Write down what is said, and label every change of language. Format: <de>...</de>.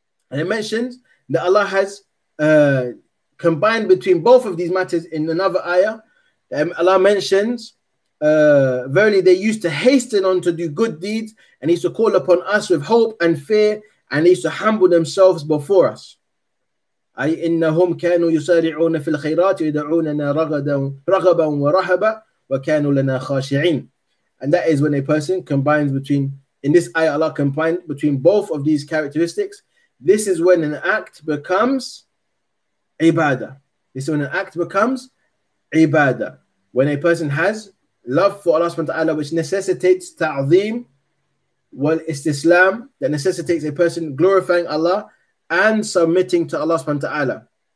<en>And it mentions that Allah has combined between both of these matters in another ayah. Allah mentions, verily they used to hasten on to do good deeds and used to call upon us with hope and fear and used to humble themselves before us.</en> <ar>أي إنهم كانوا يسارعون في الخيرات يدعوننا رغبا ورهبا وكانوا لنا خاشعين.</ar> <en>And that is when a person combines between, in this ayah Allah combined between both of these characteristics. This is when an act becomes ibadah. This is when an act becomes ibadah. When a person has love for Allah subhanahu wa ta'ala, which necessitates ta'zeem wal istislam, that necessitates a person glorifying Allah and submitting to Allah subhanahu wa ta'ala.</en>